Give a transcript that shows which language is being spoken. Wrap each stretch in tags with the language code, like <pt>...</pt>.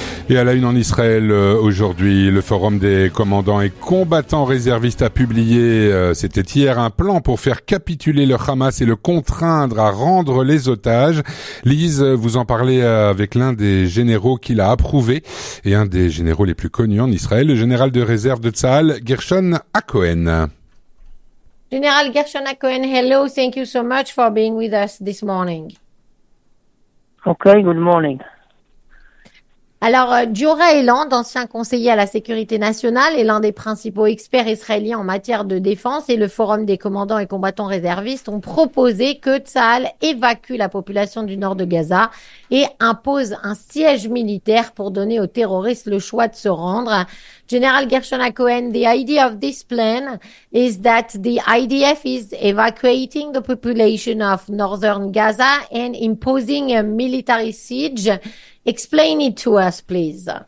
<fr>Et à la une en Israël, aujourd'hui, le Forum des commandants et combattants réservistes a publié, c'était hier, un plan pour faire capituler le Hamas et le contraindre à rendre les otages. Lise, vous en parlez avec l'un des généraux qui l'a approuvé et un des généraux les plus connus en Israël, le général de réserve de Tzahal, Gershon HaKohen.</fr> <en>General Gershon HaKohen, hello, thank you so much for being with us this morning. Okay, good morning.</en> <fr>Alors, Jura Eland, ancien conseiller à la sécurité nationale et l'un des principaux experts israéliens en matière de défense, et le Forum des commandants et combattants réservistes ont proposé que Tzahal évacue la population du nord de Gaza et impose un siège militaire pour donner aux terroristes le choix de se rendre.</fr> <en>General Gershon HaKohen, the idea of this plan is that the IDF is evacuating the population of northern Gaza and imposing a military siege. Explain it to us, please.</en>